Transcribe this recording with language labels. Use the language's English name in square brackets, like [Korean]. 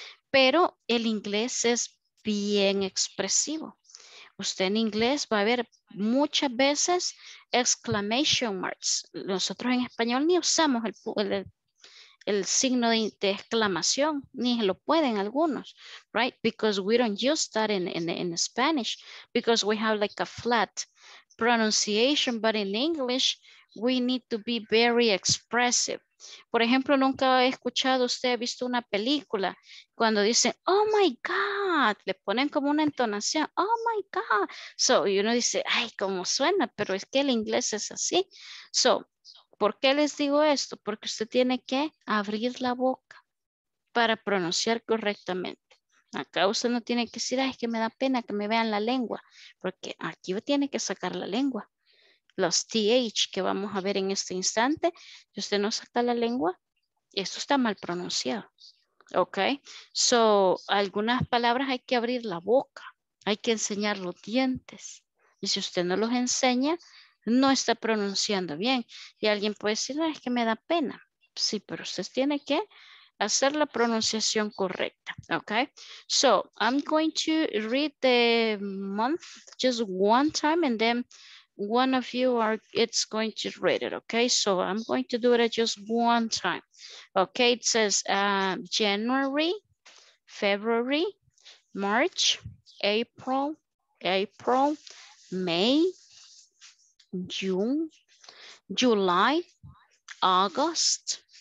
[Spanish] Pero el inglés es bien expresivo. Usted en inglés va a ver muchas veces exclamation marks. Nosotros en español ni usamos el signo de exclamación, ni lo pueden algunos, right? [English] Because we don't use that in Spanish, because we have like a flat pronunciation, but in English, we need to be very expressive. [Spanish] Por ejemplo, nunca ha escuchado, usted ha visto una película, cuando dicen, [English] oh my God, [Spanish] le ponen como una entonación, oh my God. So, y uno dice, ay, cómo suena, pero es que el inglés es así. So, ¿por qué les digo esto? Porque usted tiene que abrir la boca para pronunciar correctamente. Acá usted no tiene que decir, ay, es que me da pena que me vean la lengua, porque aquí tiene que sacar la lengua. Los TH que vamos a ver en este instante, si usted no saca la lengua, esto está mal pronunciado. Ok, so algunas palabras hay que abrir la boca, hay que enseñar los dientes. Y si usted no los enseña, no está pronunciando bien. Y alguien puede decir, no, es que me da pena. Sí, pero usted tiene que hacer la pronunciación correcta. [English] Ok, so I'm going to read the month just one time and then one of you it's going to read it, okay? So I'm going to do it just one time. Okay, it says January, February, March, April, May, June, July, August.